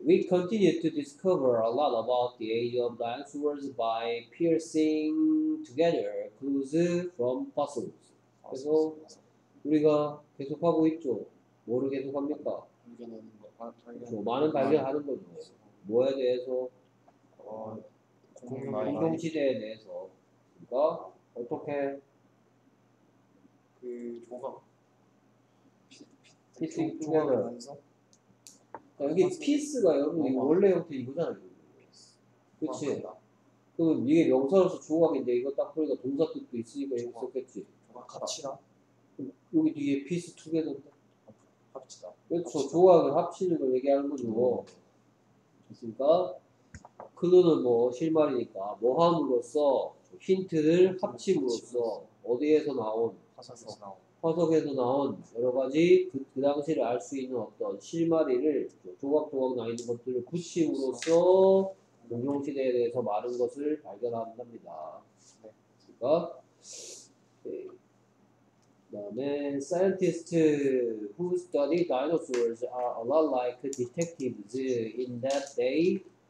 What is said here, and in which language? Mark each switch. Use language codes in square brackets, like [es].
[en] We continue to discover a lot about the age of dinosaurs by piecing together clues from fossils. [ko] 그래서 우리가 계속하고 있죠. 뭐를 계속합니까? 그렇죠. 많은 발견하는 거죠. 뭐에 대해서? 공룡지대에 대해서. 어? 어떻게? 그 조각 피싱 투게더 여기 피스가 여러분 원래 형태 이거잖아요. 그치? 그럼 이게 명사로서 조각인데 이거 딱 보니까 동사 뜻도 있으니까 이거 썼겠지. 합치다. 여기 뒤에 피스 투게더 합치다. 그렇죠. 조각을 합치는 걸 얘기하는 거죠. 됐습니까? 클루는 뭐 실마리니까 모함으로써 힌트를 합침으로써 어디에서 나온 화석에서 나온 여러 가지 그 당시를 알 수 있는 어떤 실마리를 조각조각 나 있는 것들을 붙임으로써 공룡시대에 대해서 많은 것을 발견한답니다. 그러니까 그다음에 [en] scientists who study dinosaurs are a lot like detectives in that day.